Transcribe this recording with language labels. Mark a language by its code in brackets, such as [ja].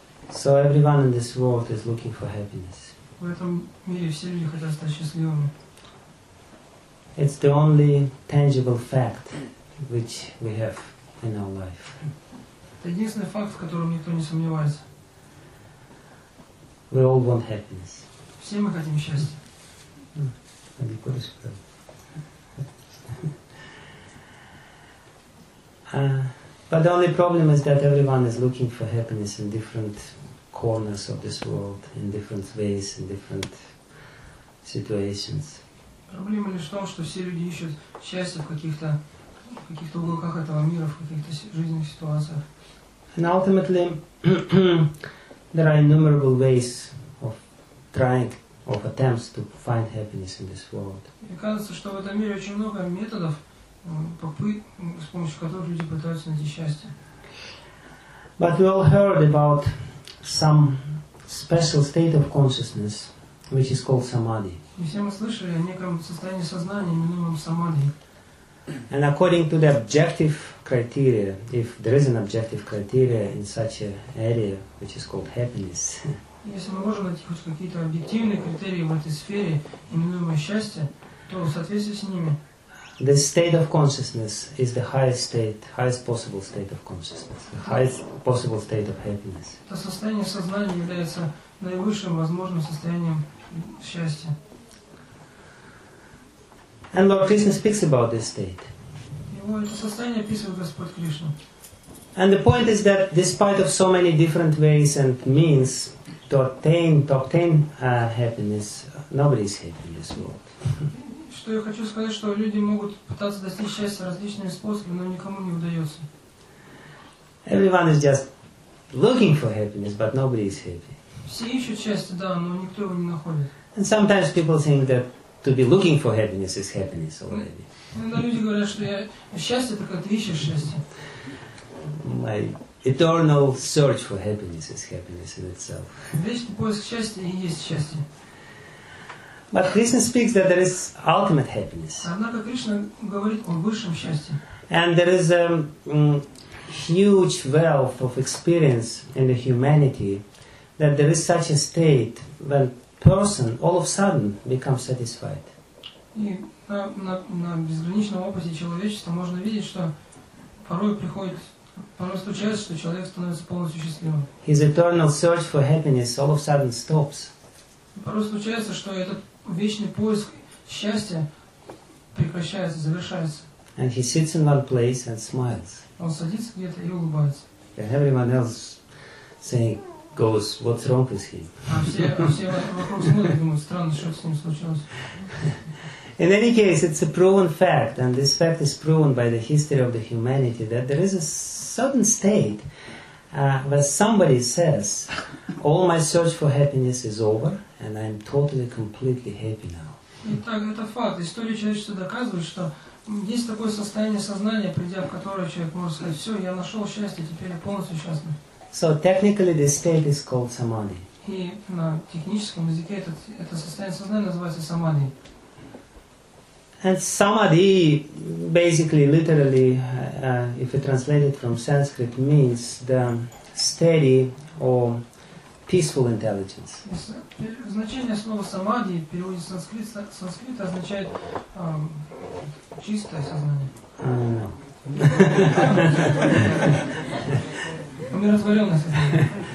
[en] So everyone in this world is looking for happiness. [ru] В этом мире все люди хотят стать счастливыми. [en] It's the only tangible fact which we have in our life. [ru] Это единственный факт, в котором никто не сомневается. [en] We all want happiness. [ru] Все мы хотим счастья. А никуда сюда. [en] But the only problem is that everyone is looking for happiness in different corners of this world, in different ways, in different situations. [ru] Проблема лишь в том, что все люди ищут счастье в каких-то уголках этого мира, в каких-то жизненных ситуациях. [en] And ultimately, there are innumerable ways of trying, of attempts to find happiness in this world. [ru] Мне кажется, что в этом мире очень много методов, попыток, с помощью которых люди пытаются найти счастье. [en] But we all heard about some special state of consciousness, which is called samadhi. [ru] Все мы слышали о неком состоянии сознания, именуемом самадхи. [en] And according to the objective criteria, if there is an objective criteria in such an area, which is called happiness, [ru] если мы можем найти хоть какие-то объективные критерии в этой сфере, именуемой счастье, то в соответствии с ними. [en] The state of consciousness is the highest state, highest possible state of consciousness, the highest possible state of happiness. [ru] Это состояние сознания является наивысшим возможным состоянием счастья. [en] And Lord Krishna speaks about this state. [ru] Его это состояние описывает Господь Кришна. [en] And the point is that despite of so many different ways and means to obtain happiness, nobody is happy in this world. [ru] Что я хочу сказать, что люди могут пытаться достичь счастья различными способами, но никому не удается. [en] Everyone is just looking for happiness, but nobody is happy. [ru] Все ищут счастье, да, но никто его не находит. [en] And sometimes people think that to be looking for happiness is happiness already. [ru] Иногда люди говорят, что счастье это когда ты ищешь счастье. [en] My eternal search for happiness is happiness in itself. [ru] Вечный поиск счастья и есть счастье. [en] But Krishna speaks that there is ultimate happiness. [ru] Однако Кришна говорит о высшем счастье. [en] And there is a huge wealth of experience in the humanity that there is such a state when person all of a sudden becomes satisfied. [ru] И на безграничном опыте человечества можно видеть, что порой приходит, порой случается, что человек становится полностью счастливым. [en] His eternal search for happiness all of a sudden stops. [ru] Порой случается, что этот вечный поиск счастья прекращается, завершается. [en] And he sits in one place and smiles. [ru] Он садится где-то и улыбается. [en] And everyone else saying, goes, what's wrong with him? [ru] А все вокруг смотрят, думают, странно, что с ним случилось. [en] In any case, it's a proven fact, and this fact is proven by the history of the humanity, that there is a certain state where somebody says, all my search for happiness is over, and I'm totally, completely happy now. [ru] Итак, это факт. История человечества доказывает, что есть такое состояние сознания, придя в которое человек может сказать, все, я нашел счастье, теперь я полностью счастлив. So technically this state is called samadhi. И на техническом языке это состояние сознания называется самадхи. And samadhi, basically, literally, if it translated from Sanskrit, means the steady or peaceful intelligence. Значение слова самадхи в переводе с санскрита означает чистое сознание. Умиротворенное сознание.